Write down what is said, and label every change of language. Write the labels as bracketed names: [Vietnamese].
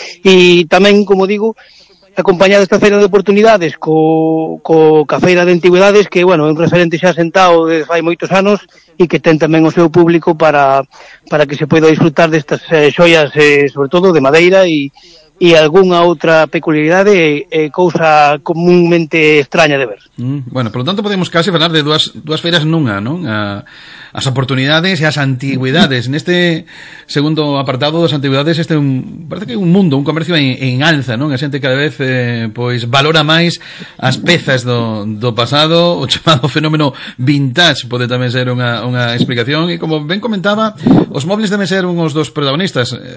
[Galician] E tamén, como digo, acompañada esta feira de oportunidades co feira de antigüedades, que, bueno, é un referente xa sentado desde fai moitos anos e que ten tamén o seu público para que se poida disfrutar destas xoias, sobre todo de madeira [Spanish] y alguna otra peculiaridad de cosa comúnmente extraña de ver. Bueno, por lo tanto podemos casi hablar de dos feiras nunca, ¿no? [Galician] As oportunidades e as antigüidades. En este segundo apartado das antigüidades, este parece que é un mundo, un comercio en alza, non? A xente cada vez pois valora máis as pezas do pasado, o chamado fenómeno vintage pode tamén ser unha explicación. E como ben comentaba, os móbiles deben ser unhos dos protagonistas.